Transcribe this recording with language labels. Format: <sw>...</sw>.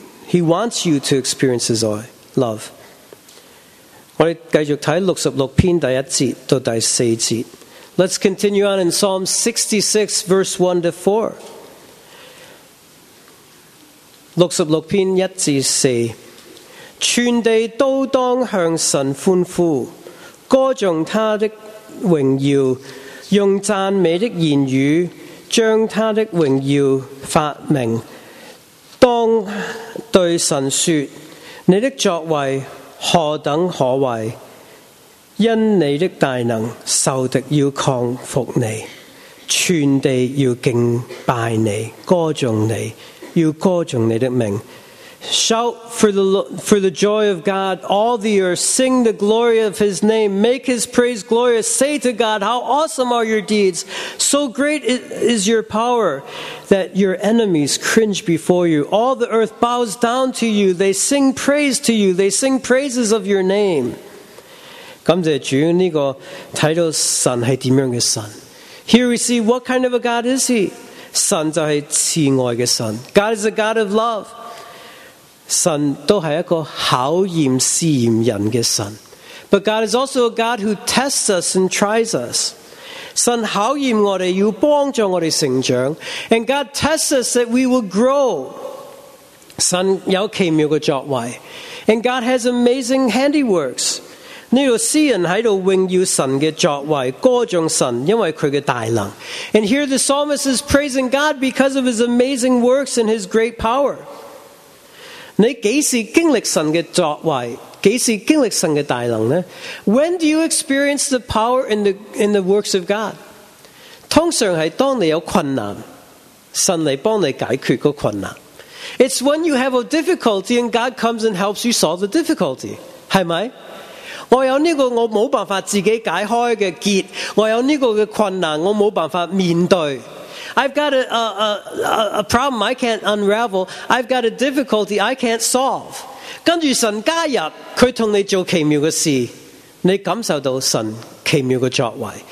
<en>He wants you to experience his love.</en> <zh>我们继续看六十六篇第一节到第四节。</zh> <en>Let's continue on in Psalm 66, verse 1 to 4.</en> <zh>六十六篇一至四，全地都当向神欢呼，歌颂他的荣耀，用赞美的言语将他的荣耀发明。当对神说，你的作为何等可畏，因你的大能，仇敌要降服你，全地要敬拜你，歌颂你，要歌颂你的名。</zh> <en>Shout for the joy of God, all the earth, sing the glory of his name, make his praise glorious, say to God, how awesome are your deeds, so great is your power that your enemies cringe before you, all the earth bows down to you, they sing praise to you, they sing praises of your name.</en> <zh>感谢主，这个看到神是怎样的神。</zh> <en>Here we see what kind of a God is he?</en> <zh>神就是慈爱的神。</zh> <en>God is a God of love.</en> <zh>神都是一个考验试验人的神。</zh> <en>But God is also a God who tests us and tries us.</en> <zh>神考验我们，要帮助我们成长。</zh> <en>And God tests us that we will grow.</en> <zh>神有奇妙的作为。</zh> <en>And God has amazing handiworks.</en> <zh>这个诗人在这里荣耀神的作为，歌颂神，因为他的大能。</zh> <en>And here the psalmist is praising God because of his amazing works and his great power.</en> <zh>你几时经历神的作为，几时经历神的大能呢？</zh> <en>When do you experience the power in the works of God?</en> <zh>通常是当你有困难，神来帮你解决个困难。</zh> <en>It's when you have a difficulty and God comes and helps you solve the difficulty.</en> <zh>是吗？我有这个我没办法自己解开的结，我有这个困难我没办法面对。</zh> <en>I've got a problem I can't unravel. I've got a difficulty I can't solve.</en> <zh>跟着神加入，他跟你做奇妙的事，你感受到神奇妙的作为。</zh>